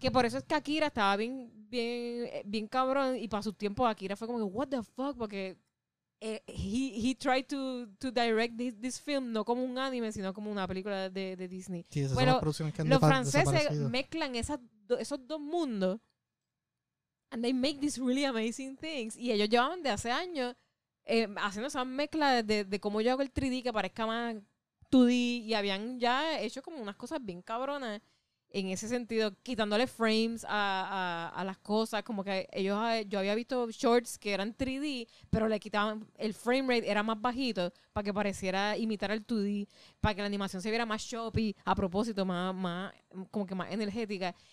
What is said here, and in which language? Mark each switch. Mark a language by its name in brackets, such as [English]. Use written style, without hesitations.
[Spanish] Que por eso es que Akira estaba bien, bien, bien cabrón. Y para su tiempo, Akira fue como que, [English] what the fuck? [Spanish] Porque [English] he tried to direct this film, [Spanish] no como un anime, sino como una película de Disney. Sí, esas bueno, son las producciones que han los franceses mezclan esos dos mundos [English] and they make these really amazing things. [Spanish] Y ellos llevaban de hace años haciendo esa mezcla de cómo yo hago el 3D que parezca más 2D, y habían ya hecho como unas cosas bien cabronas en ese sentido, quitándole frames a las cosas. Como que ellos, yo había visto shorts que eran 3D, pero le quitaban el frame rate, era más bajito, para que pareciera imitar el 2D, para que la animación se viera más choppy, a propósito, más como que más energética.